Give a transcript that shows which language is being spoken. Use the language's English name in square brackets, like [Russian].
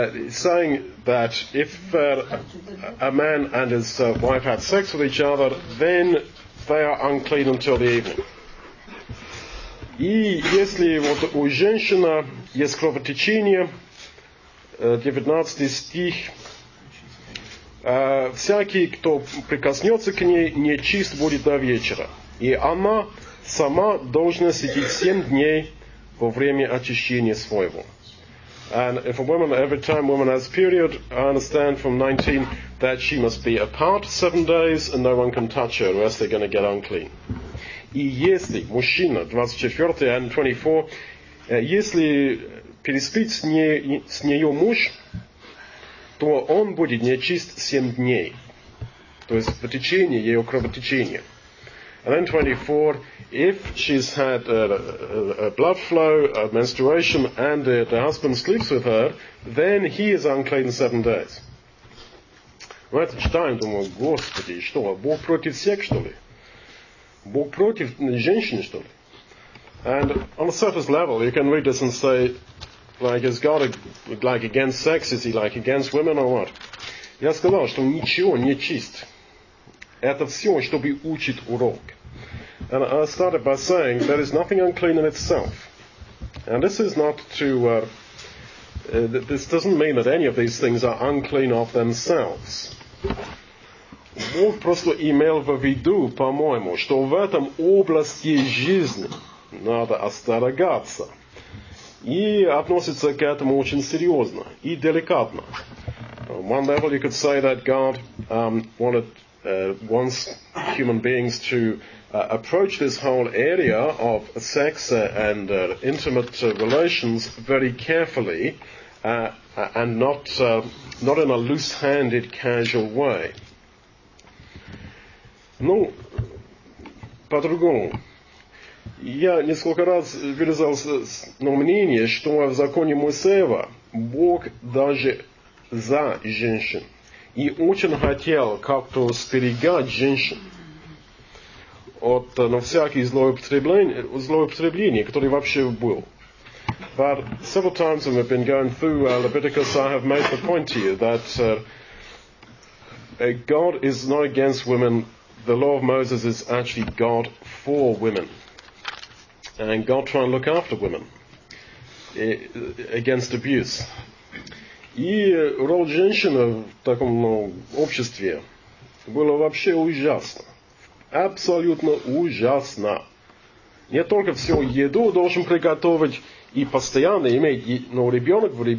[English] Saying that if a man and his wife had sex with each other, then they are unclean until the evening. [Russian] И если вот у женщины есть кровотечение, 19 стих, всякий, кто прикоснется к ней, нечист будет до вечера. И она сама должна сидеть 7 дней во время очищения своего. [English] And if a woman, every time a woman has period, I understand from 19 that she must be apart 7 days and no one can touch her, or else they're going to get unclean. [Russian] И если мужчина, 24 and 24, если переспит с нее муж, то он будет нечист 7 дней. То есть в течение ее кровотечения. [English] And then 24, if she's had a blood flow, a menstruation, and the husband sleeps with her, then he is unclean 7 days. [Russian] Мы это читаем, думаю, Господи, что, Бог против всех, что ли? Бог против женщин, что ли? [English] And on a surface level, you can read this and say, like, is God like against sex? Is he like against women or what? [Russian] Я сказал, что ничего не чист. Это все, чтобы учить урок. [English] And I started by saying there is nothing unclean in itself. And this is not to... this doesn't mean that any of these things are unclean of themselves. [Russian] Бог просто имел в виду, по-моему, что в этом области жизни надо остерегаться. И относится к этому очень серьезно и деликатно. [English] One level you could say that God wants human beings to approach this whole area of sex and intimate relations very carefully and not in a loose-handed, casual way. [Russian] Ну, по-другому. Я несколько раз выразился на мнение, что в законе Моисеева Бог даже за женщин и очень хотел как-то сберегать женщин от на всякие злоупотребления, которые вообще был. [English] But several times when we've been going through Leviticus, I have made the point to you that God is not against women. The law of Moses is actually God for women. And God trying to look after women against abuse. [Russian] И роль женщины в таком обществе была вообще ужасна. Абсолютно ужасна. Не только всю еду должен приготовить и постоянно иметь, но ребенок.